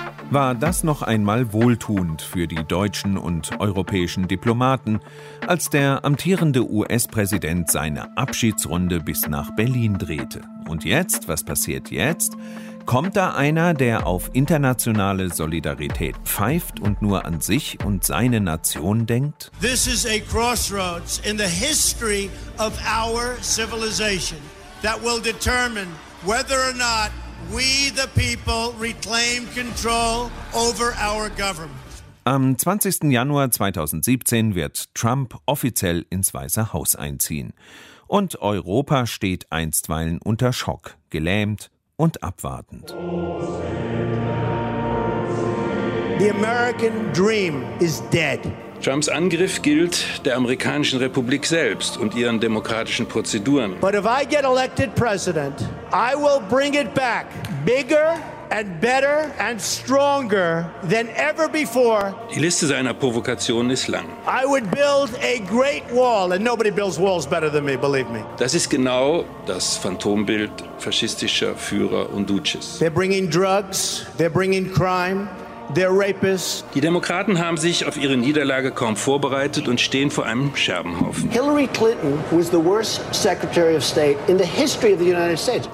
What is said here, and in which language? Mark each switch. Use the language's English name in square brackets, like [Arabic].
[German] War das noch einmal wohltuend für die deutschen und europäischen Diplomaten, als der amtierende US-Präsident seine Abschiedsrunde bis nach Berlin drehte? Und jetzt, was passiert jetzt? Kommt da einer, der auf internationale Solidarität pfeift und nur an sich und seine Nation denkt? [English] This is a crossroads in the history of our civilization that will determine whether or not we the people reclaim control over our government. [German] Am 20. Januar 2017 wird Trump offiziell ins Weiße Haus einziehen. Und Europa steht einstweilen unter Schock, gelähmt und abwartend. [English] The American dream is dead. [German] Trumps Angriff gilt der amerikanischen Republik selbst und ihren demokratischen Prozeduren. [English] But if I get elected president, I will bring it back bigger and better and stronger than ever before. [German] Die Liste seiner Provokationen ist lang. [English] I would build a great wall, and nobody builds walls better than me, believe me. [German] Das ist genau das Phantombild faschistischer Führer und Duces. [English] They're bringing drugs, they're bringing crime, they're rapists. [German] Die Demokraten haben sich auf ihre Niederlage kaum vorbereitet und stehen vor einem Scherbenhaufen. [English] Hillary Clinton was the worst Secretary of State in the history of the United States.